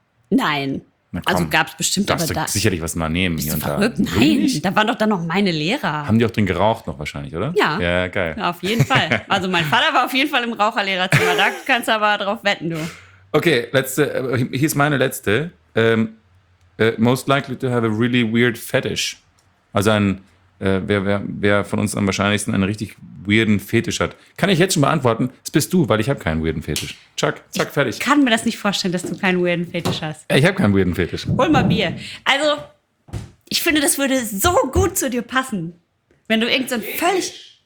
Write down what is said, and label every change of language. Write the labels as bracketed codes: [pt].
[de] Nein. Komm, also gab es bestimmt aber da. Sicherlich was mal nehmen. Bist du verrückt? Da. Nein, da waren doch dann noch meine Lehrer. Haben die auch drin geraucht noch wahrscheinlich, oder? Ja. Ja, geil. Auf jeden Fall. Also mein Vater war auf jeden Fall im Raucherlehrerzimmer. Da kannst du aber drauf wetten, du. Okay, letzte. Hier ist meine letzte. [en] Most likely to have a really weird fetish. [de] Also wer von uns am wahrscheinlichsten einen richtig weirden Fetisch hat. Kann ich jetzt schon beantworten? Das bist du, weil ich habe keinen weirden Fetisch. Chuck, zack, fertig. Ich kann mir das nicht vorstellen, dass du keinen weirden Fetisch hast. Ich habe keinen weirden Fetisch. Hol mal Bier. Also, ich finde, das würde so gut zu dir passen, wenn du irgend so ein völlig...